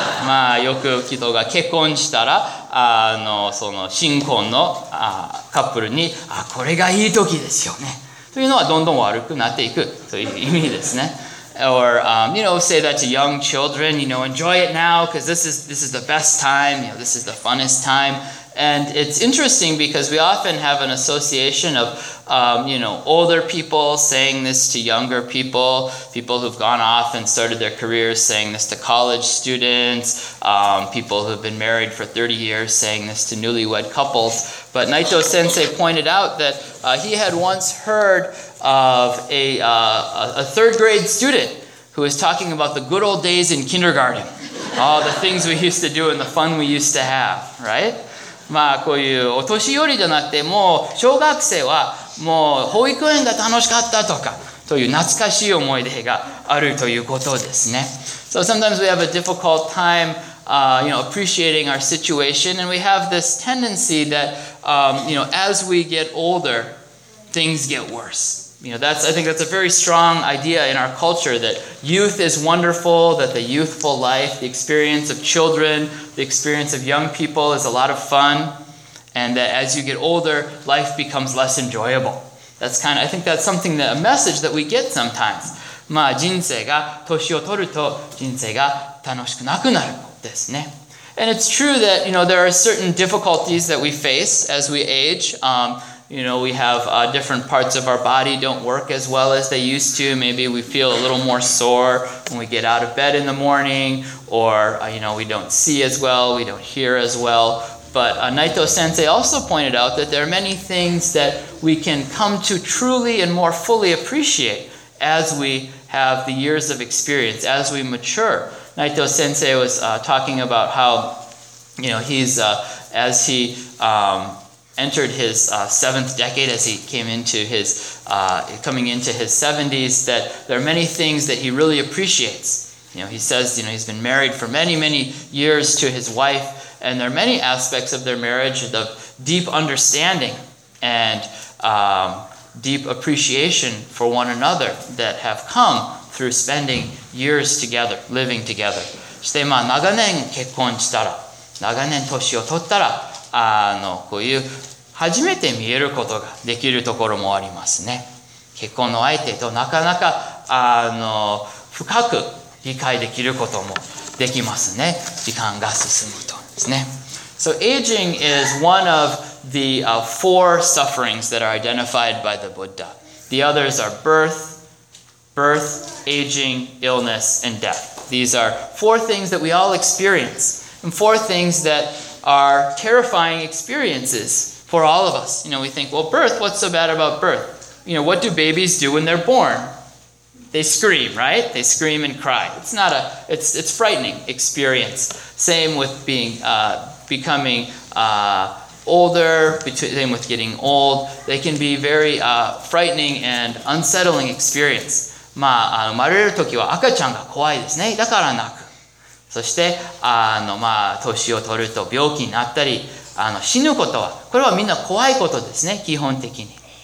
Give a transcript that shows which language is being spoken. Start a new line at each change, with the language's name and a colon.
Japanese: まあ、よく人が結婚したら、その新婚の、カップルに、あ、これがいい時ですよね。というのはどんどん悪くなっていくという意味ですね。
English: Or, you know, say that to young children, you know, enjoy it now, because this is the best time, you know, this is the funnest time. And it's interesting because we often have an association of, you know, older people saying this to younger people, people who've gone off and started their careers saying this to college students, people who've been married for 30 years saying this to newlywed couples. But Naito Sensei pointed out that he had once heard of a third grade student who was talking about the good old days in kindergarten, all the things we used to do and the fun we used to have, right?
Japanese: まあこういうお年寄りじゃなくてもう小学生はもう保育園が楽しかったとかという懐かしい思い出があるということですね。
English: So sometimes we have a difficult time, you know, appreciating our situation, and we have this tendency that, you know, as we get older, things get worse. You know, that's, I think that's a very strong idea in our culture that youth is wonderful, that the youthful life, the experience of children,The experience of young people is a lot of fun, and that as you get older, life becomes less enjoyable. That's kind of, I think that's something that, a message that we get sometimes.
Japanese: まあ人生が年を取ると人生が楽しくなくなるですね。
English: And it's true that, you know, there are certain difficulties that we face as we age. You know, we have different parts of our body don't work as well as they used to. Maybe we feel a little more sore when we get out of bed in the morning, or, you know, we don't see as well, we don't hear as well. But Naito Sensei also pointed out that there are many things that we can come to truly and more fully appreciate as we have the years of experience, as we mature. Naito Sensei was talking about how, you know, he's, as he... entered his seventh decade as he came into his, coming into his 70s, that there are many things that he really appreciates. You know, he says, you know, he's been married for many, many years to his wife, and there are many aspects of their marriage, the deep understanding and deep appreciation for one another that have come through spending years together, living together.
Japanese: そしてまあ長年結婚したら、長年歳を取ったら、こういう初めて見えることができるところもありますね。結婚の相手となかなか深く理解できることもできますね。時間が進むとですね。
English: So aging is one of the four sufferings that are identified by the Buddha. The others are birth, aging, illness, and death. These are four things that we all experience, and four things that are terrifying experiences. For all of us, you know, we think, well, birth, what's so bad about birth? You know, what do babies do when they're born? They scream, right? They scream and cry. It's not a, it's frightening experience. Same with being, becoming older, same with getting old. They can be very frightening and unsettling experience.
Japanese: まあ、あの、生まれるときは赤ちゃんが怖いですね。だから泣く。そして、あの、まあ、年を取ると病気になったり、あの、死ぬことは、これはみんな怖いことですね、基本的に。